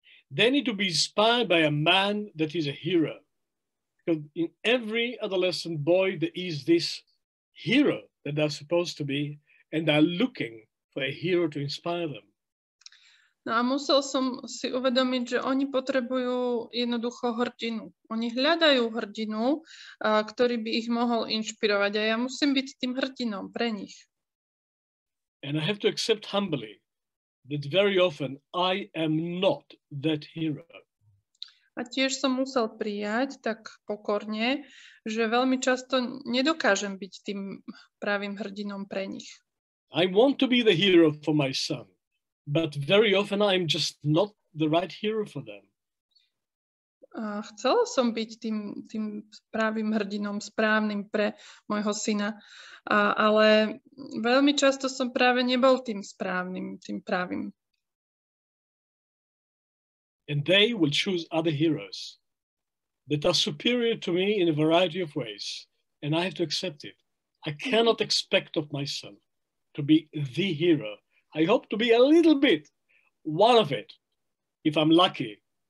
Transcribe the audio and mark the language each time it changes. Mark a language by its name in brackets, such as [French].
[English] They need to be inspired by a man that is a hero. Because in every adolescent boy, there is this hero that they're supposed to be, and they're looking for a hero to inspire them. [Slovak] No a musel som si uvedomiť, že oni potrebujú jednoducho hrdinu. Oni hľadajú hrdinu, ktorý by ich mohol inšpirovať. A ja musím byť tým hrdinom pre nich. [English] And I have to accept humbly that very often I am not that hero. [Slovak] A tiež som musel prijať tak pokorne, že veľmi často nedokážem byť tým pravým hrdinom pre nich. [English] I want to be the hero for my son, but very often I am just not the right hero for them. [Slovak] A chcela som byť tým pravým hrdinom, správnym pre môjho syna, ale veľmi často som práve nebol tým správnym, tým pravým. [English] And they will choose other heroes that are superior to me in a variety of ways. And I have to accept it. I cannot expect of myself to be the hero. I hope to be a little bit one of it, if I'm lucky.